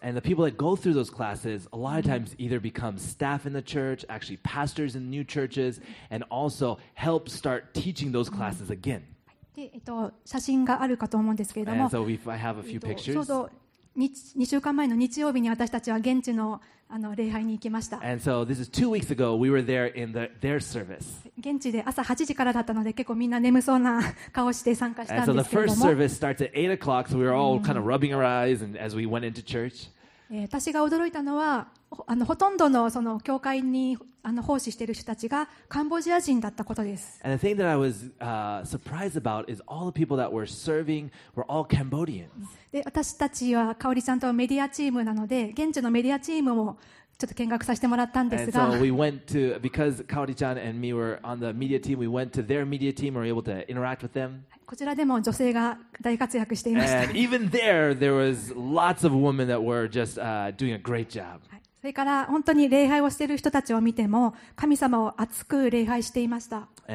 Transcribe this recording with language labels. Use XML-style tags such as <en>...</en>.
<en>And the people that go through those classes, a lot of times either become staff in the church, actually pastors in new churches, and also help start teaching those classes again.</en> <ja>写真があるかと思うんですけれども、 so、ちょうど2週間前の日曜日に私たちは現地 の礼拝に行きました。現地で朝8時からだったので結構みんな眠そうな顔して参加したんですけれども</ja> <en>、so the first service starts at 8 o'clock,</en> <ja>so、私が驚いたのはほとんど その教会に奉仕している人たちがカンボジア人だったことです。</ja> <en>And the thing that I was surprised about is all the people that were serving were all Cambodians.</en> <ja>で、私たちは香里ちゃんとメディアチームなので現地のメディアチームもちょっと見学させてもらったんですが、</ja> <en>And so we went to, because 香里ちゃん and me were on the media team, we went to their media team and were able to interact with them.</en> <ja>こちらでも女性が大活躍していました。</ja> <en>And even there, there was lots of women that were just doing a great job.</en> <ja>それから本当に礼拝をしている人たちを見ても神様を熱く礼拝していました。</ja>